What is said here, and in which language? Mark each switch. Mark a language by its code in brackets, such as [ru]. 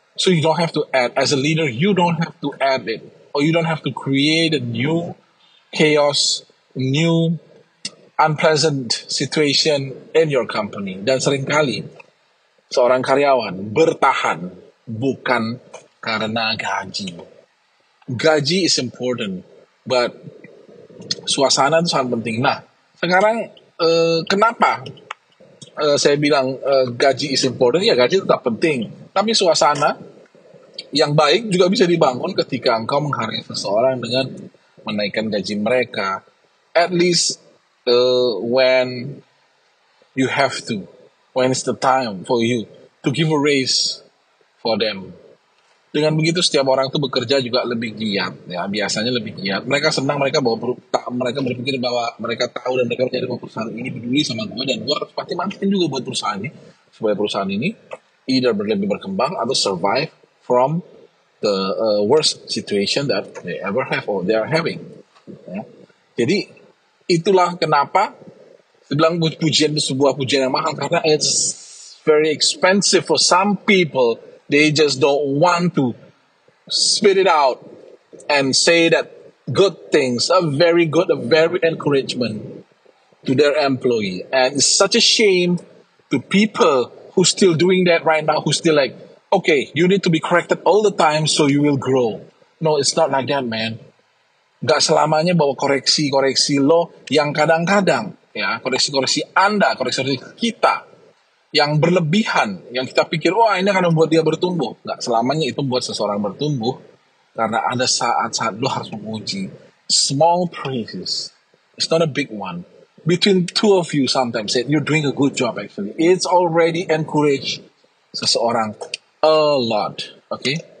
[en] So you don't have to add, as a leader, you don't have to add it. Or you don't have to create a new chaos, new unpleasant situation in your company. [id] Dan seringkali seorang karyawan bertahan bukan karena gaji. Gaji [en] is important, but [id] suasana itu sangat penting. Nah, sekarang kenapa saya bilang gaji [en] is important? [id] Ya, gaji tetap penting. Tapi suasana yang baik juga bisa dibangun ketika engkau menghargai seseorang dengan menaikkan gaji mereka. [en] At least when you have to, when it's the time for you to give a raise for them. [id] Dengan begitu setiap orang itu bekerja juga lebih giat, ya, biasanya lebih giat. Mereka senang, mereka berpikir bahwa mereka tahu dan mereka menjadi perusahaan ini peduli sama gue, dan gue harus pasti manfaatin juga buat perusahaan ini, supaya perusahaan ini either lebih berkembang atau [en] survive from the worst situation that they ever have or they are having. [id] Ya. Jadi itulah kenapa dibilang pujian itu sebuah pujian yang mahal, karena [en] it's very expensive for some people. They just don't want to spit it out and say that good things, a very good, a very encouragement to their employee. And it's such a shame to people who still doing that right now, who still like, okay, you need to be corrected all the time so you will grow. No, it's not like that, man. [id] Gak selamanya bahwa koreksi-koreksi lo yang kadang-kadang, ya, koreksi-koreksi Anda, koreksi-koreksi kita, yang berlebihan, yang kita pikir, wah, ini akan membuat dia bertumbuh. Nggak selamanya itu buat seseorang bertumbuh, karena ada saat-saat lo harus menguji. [en] Small praises, it's not a big one. Between two of you sometimes, say, you're doing a good job actually. It's already encourage seseorang a lot, okay?